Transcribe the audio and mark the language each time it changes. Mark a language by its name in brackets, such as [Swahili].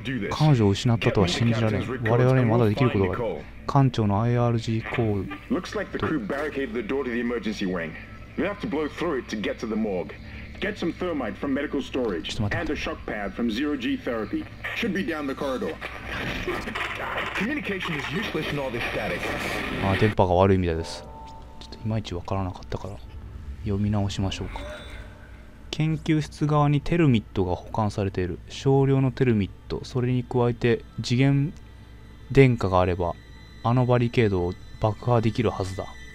[Japanese] 彼女を失ったとは信じられない。我々にまだできることがある。艦長の IRG コール。 [English] Looks like the crew barricaded the door to the emergency wing. You have to blow through it to get to the morgue. Get some thermite from medical storage and a shock pad from zero G therapy. Should be down the corridor. Communication is useless in all this static. [Japanese] あ、電波が悪いみたいです。ちょっといまいちわからなかったから読み直しましょうか。研究室側にテルミットが保管されている。少量のテルミット、それに加えて次元電荷があればあのバリケードを爆破できるはずだ。